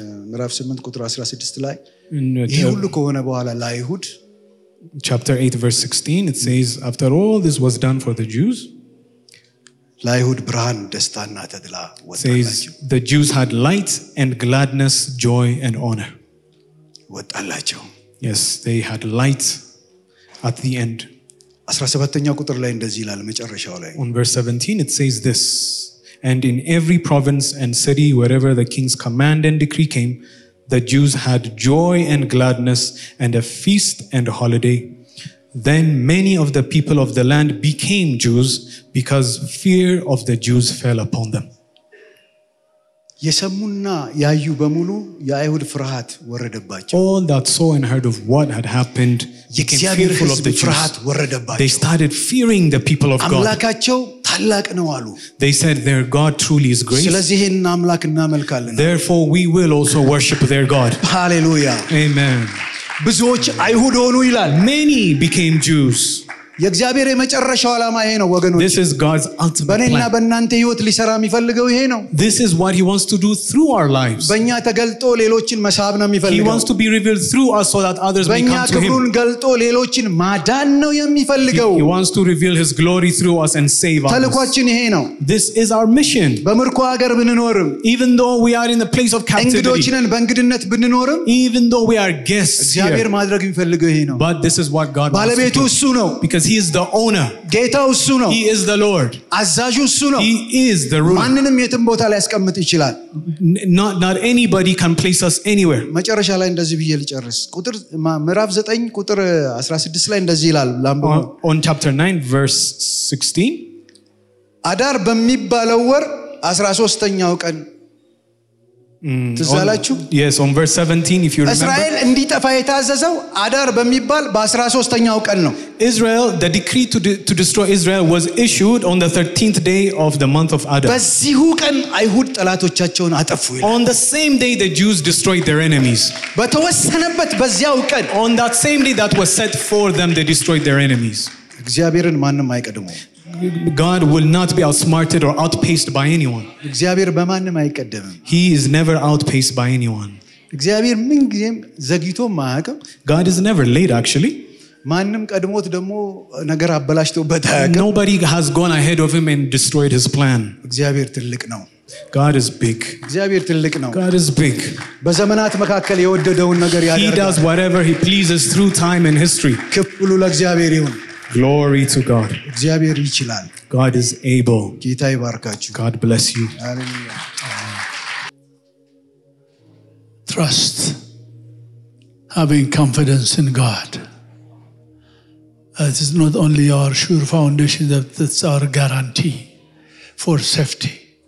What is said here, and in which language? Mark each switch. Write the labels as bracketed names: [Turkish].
[Amharic] ምዕራፍ 8 ቁጥር 16 ላይ ይሄ ሁሉ ከሆነ በኋላ ለአይሁድ [English] chapter 8 verse 16 it says after all this was done for the Jews [Amharic] laihud brahan destanna tadla wotallachu [English] the Jews had light and gladness joy and honor [Amharic] wotallachu [English] yes they had light at the end [Amharic] 17ኛው ቁጥር ላይ እንደዚህ ይላል መጨረሻው ላይ [English] on verse 17 it says this and in every province and city wherever the king's command and decree came the Jews had joy and gladness and a feast and a holiday. Then many of the people of the land became Jews because fear of the Jews fell upon them. [Amharic] የሰሙና ያዩ በሙሉ የአይሁድ ፍርሃት ወረደባቸው. [English] All that saw and heard of what had happened became fearful of the Jews. [Amharic] ፍርሃት ወረደባቸው. [English] They started fearing the people of God. [Amharic] አምላካቸው ታላቅ ነው አሉ. [English] They said their God truly is great. [Amharic] ስለዚህ እናምላክ እናመልካለን. [English] Therefore we will also worship their God. Hallelujah. Amen. [Amharic] ብዙዎች አይሁድ ሆኑ ይላል. [English] Many became Jews. [Amharic] የእግዚአብሔር የመጨረሻው ዓላማ ይሄ ነው ወገኖች. [English] This is God's ultimate plan. [Amharic] በእኛ በእናንተ ህይወት ሊሰራ የሚፈልገው ይሄ ነው. [English] This is what he wants to do through our lives. [Amharic] በእኛ ተገልጦ ሌሎችን መሳብ ነው የሚፈልገው. [English] He wants to be revealed through us so that others may come to him. [Amharic] በእኛ ክብሩን ገልጦ ሌሎችን ማዳን ነው የሚፈልገው. [English] He wants to reveal his glory through us and save us. [Amharic] ተልኳችን ይሄ ነው. [English] This is our mission. [Amharic] በምርኮ ሀገር ብንኖርም [English] even though we are in the place of captivity. [Amharic] እንግዶችነን በእንግድነት ብንኖርም [English] even though we are guests here. [Amharic] እግዚአብሔር ማድረግ የሚፈልገው ይሄ ነው. [English] But this is what God wants. [Amharic] ባለቤቱ እሱ ነው. [English] Because he is the owner. [Amharic] ጌታው እሱ ነው. [English] He is the Lord. [Amharic] አዛዡ እሱ ነው. [English] He is the ruler. [Amharic] ማንንም የትም ቦታ ላይ አስቀምጥ ይችላል. [English] Not anybody can place us anywhere. [Amharic] መጨረሻ ላይ እንደዚህ ብዬ ልጨርስ. ቁጥር ምዕራፍ 9 ቁጥር 16 ላይ እንደዚህ ይላል. [English] On chapter 9 verse 16. [Amharic] አዳር በሚባለው ወር 13ኛው ቀን ትዛላችሁ? [English] Yes, on verse 17 if you remember. [Amharic] እስራኤል እንዲጠፋ የታዘዘው አዳር በሚባል በ13ኛው ቀን ነው. [English] Israel the decree to destroy Israel was issued on the 13th day of the month of Adar. [Amharic] በዚሁ ቀን አይሁድ ጠላቶቻቸውን አጠፉ ይላል. [English] On the same day the Jews destroyed their enemies. [Amharic] በተወሰነበት በዚያው ቀን. [English] On that same day that was set for them they destroyed their enemies. [Amharic] እግዚአብሔርን ማንንም አይቀድመው. [English] God will not be outsmarted or outpaced by anyone. [Amharic] እግዚአብሔር በማንም አይቀደምም. [English] He is never outpaced by anyone. [Amharic] እግዚአብሔር ምን ጊዜም ዘግይቶ ማያውቅም. [English] God is never late actually. [Amharic] ማንም ቀድሞት ደሞ ነገር አበላሽቶበት አያውቅም. [English] Nobody has gone ahead of him and destroyed his plan. [Amharic] እግዚአብሔር ትልቅ ነው. [English] God is big. [Amharic] እግዚአብሔር ትልቅ ነው. [English] God is big. [Amharic] በዘመናት መካከለ የወደደውን ነገር ያደርጋል. [English] He does whatever he pleases through time and history. [Amharic] ክብሩ ለእግዚአብሔር ይሁን. [English] Glory to God. [Amharic] እግዚአብሔር ይችላል. [English] God is able. [Amharic] ጌታ ይባርካችሁ. [English] God bless you. [Amharic] ሃሌሉያ. [English] Trust. Having confidence in God. It is not only our sure foundation that it's our guarantee for safety.